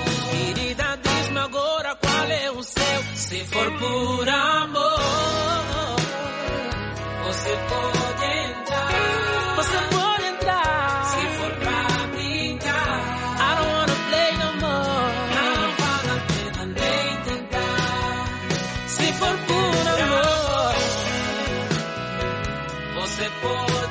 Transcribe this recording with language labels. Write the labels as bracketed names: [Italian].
[Portuguese] Querida, diz-me agora qual é o seu. Se for por amor, você pode entrar. Você pode entrar. Se for pra brincar, [English] I don't wanna play no more. [Portuguese] Não vale a pena nem tentar. Se for por amor, você pode.